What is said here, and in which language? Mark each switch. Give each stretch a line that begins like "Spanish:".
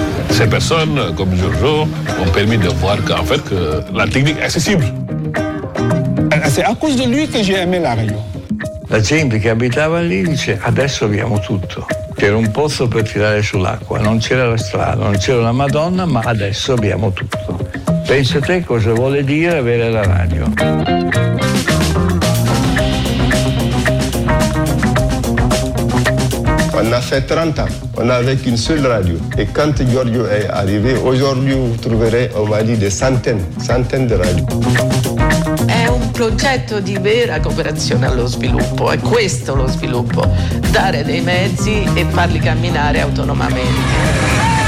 French: Ces personnes comme Giorgio ont permis de voir qu'en fait que la technique est accessible. C'est à cause de lui que j'ai aimé la radio.
Italian: La gente che abitava lì dice adesso abbiamo tutto. C'era un pozzo per tirare sull'acqua, non c'era la strada, non c'era la Madonna, ma adesso abbiamo tutto. Pensa te cosa vuole dire avere la radio. When
French: a fait 30 ans, on n'avait qu'une seule radio. Et quand Giorgio est arrivé, aujourd'hui, vous trouverez au Mali des centaines de radios.
Italian: Progetto di vera cooperazione allo sviluppo, è questo lo sviluppo, dare dei mezzi e farli camminare autonomamente.